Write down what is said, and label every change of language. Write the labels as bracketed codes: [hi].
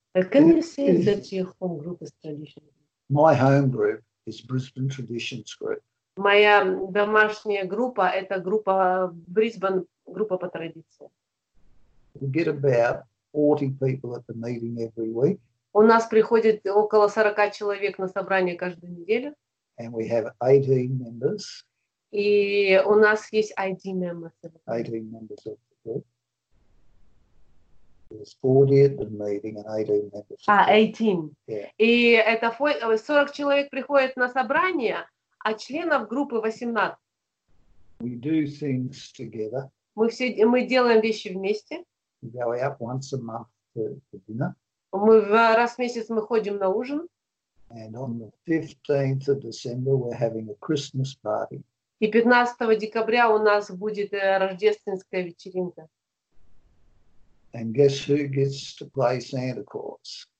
[en] Can you say that your home group is traditional? My home group is Brisbane Traditions Group. [ru] Моя домашняя группа – это группа Brisbane, группа по традиции. [en] We get about 40 people at the meeting every week. [ru] У нас приходит около 40 человек на собрание каждую неделю. [en] And we have 18 members. [ru] И у нас есть 18 members. [en] 18 members of the group. There's 40 at the meeting and 18 members. Ah, 18. Yeah. [ru] И это 40 человек приходит на собрание, а членов группы 18. [en] We do things together. [ru] Мы делаем вещи вместе. [en] We go out once a month to dinner. [ru] Мы раз в месяц мы ходим на ужин. [en] And on the 15th of December we're having a Christmas party. [ru] И 15 декабря у нас будет рождественская вечеринка. [en] And guess who gets to play Santa Claus?